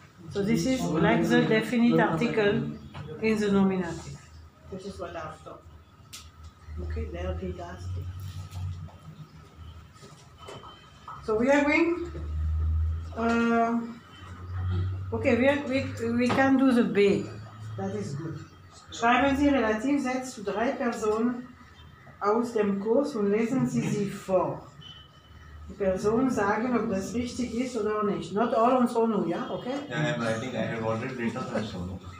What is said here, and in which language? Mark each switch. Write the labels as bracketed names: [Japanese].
[English] So this is like the definite article in the nominative. This is what I've done. Okay, there will be that. So we are going, okay, we can do the B, that is good. [German] Schreiben Sie Relativsätze zu drei Personen aus dem Kurs und lesen Sie sie vor. Die Personen sagen, ob das richtig ist oder nicht. [English] Not all on Sonu, ja, yeah? Okay? Yeah, but I think I have already written on Sonu.